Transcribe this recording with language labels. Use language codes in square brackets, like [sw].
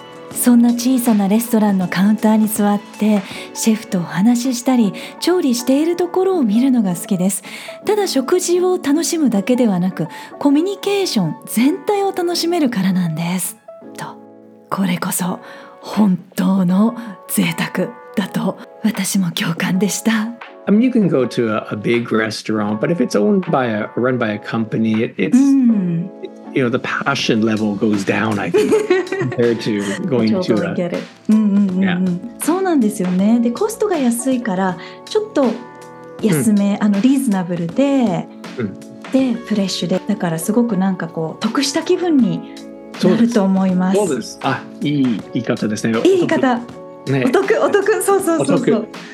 [ja] そんな小さなレストランのカウンターに座ってシェフとお話ししたり調理しているところを見るのが好きです。ただ食事を楽しむだけではなく、コミュニケーション全体を楽しめるからなんですと。これこそ本当の贅沢だと私も共感でした。 [en] I mean, you can go to a big restaurant, but if it's owned by a run by a company, it's、mm. you know, the passion level goes down, I think, compared to going to a. Get it. [ja] そうなんですよね。で、コストが安いからちょっと安め、mm. あのリーズナブルで、mm. でフレッシュで、だからすごくなんかこう得した気分になると思います。そうです。あ、いい言い方ですね。いい言い方。ね、お得、お得、そうそうそうそう。